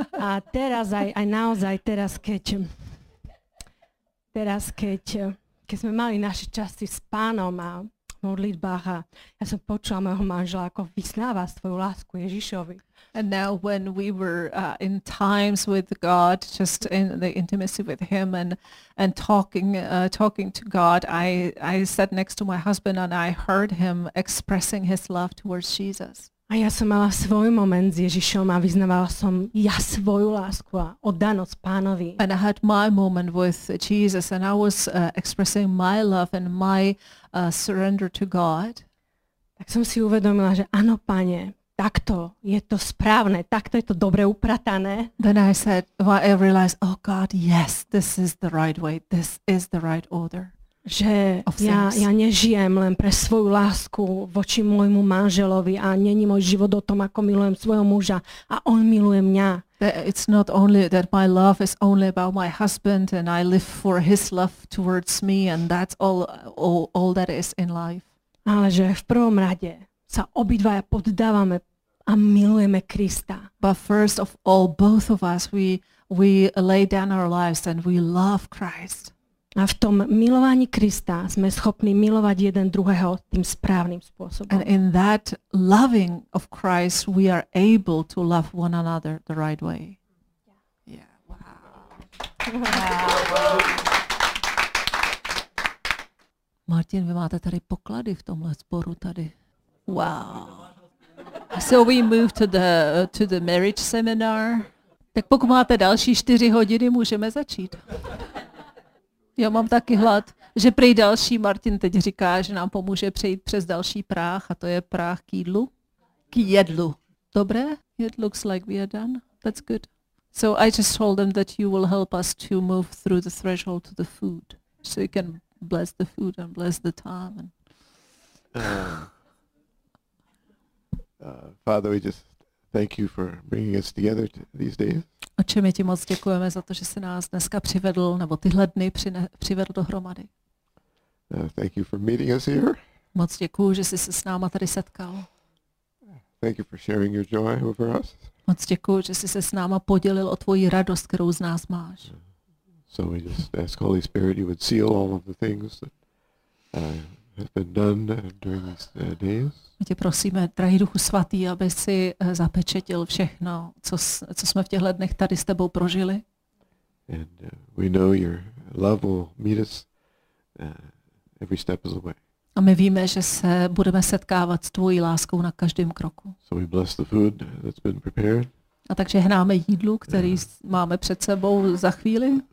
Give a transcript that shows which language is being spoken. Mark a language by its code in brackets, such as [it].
[sk] A teraz aj naozaj, teraz keď sme mali naše časy s Pánom a modlitbách a ja som počula môjho manžela, ako vysnáva svoju lásku Ježišovi. [en] And now when we were in times with God, just in the intimacy with him and talking to God, I sat next to my husband and I heard him expressing his love towards Jesus. [sk] A ja som mala svoj moment s Ježišom a vyznávala som ja svoju lásku a oddanosť Pánovi. [en] And I had my moment with Jesus and I was expressing my love and my surrender to God. [sk] Tak som si uvedomila, že áno, Pane, takto je to správne, takto je to dobre upratané. [en] Then I said, well, I realized, oh God, yes, this is the right way, this is the right order. [sk] že ja nežijem len pre svoju lásku voči môjmu manželovi a není môj život o tom, ako milujem svojho muža a on miluje mňa. [en] That it's not only that my love is only about my husband and I live for his love towards me and that's all that is in life. [sk] Ale že v prvom rade sa obidvaja poddávame a milujeme Krista. [en] But first of all, both of us, we lay down our lives and we love Christ. [sk] A v tom milovaní Krista sme schopní milovať jeden druhého tým správnym spôsobom. [en] And in that loving of Christ, we are able to love one another the right way. Yeah. Wow. [cs] Martin, vy máte tady poklady v tomhle sboru tady. [en] Wow. So we move to the marriage seminar. [cs] Tak pokud máte další 4 hodiny, můžeme začít. Já mám taky hlad, že prý další, Martin teď říká, že nám pomůže přejít přes další práh, a to je práh k jídlu. [sk] K jedlu. [en] Dobré? It looks like we are done. That's good. So I just told them that you will help us to move through the threshold to the food. So you can bless the food and bless the time. And... Father, we just thank you for bringing us together these days. [cs] Otče, my ti moc děkujeme za to, že jsi nás dneska přivedl, nebo tyhle dny přivedl dohromady. [en] Thank you for meeting us here. [cs] Moc děkuju, že jsi se s náma tady setkal. [en] Thank you for sharing your joy over us. [cs] Moc děkuju, že jsi se s náma podělil o tvoji radost, kterou z nás máš. [en] So we just ask Holy Spirit you would seal all of the things that have been done during these days. [cs] My tě prosíme, drahý Duchu svatý, aby si zapečetil všechno, co jsme v těchto dnech tady s tebou prožili. [en] And we know your love will meet us every step of the way. [cs] A my víme, že se budeme setkávat s tvojí láskou na každém kroku. [en] So we bless the food that's been prepared. [cs] A takže hnáme jídlu, který máme před sebou za chvíli.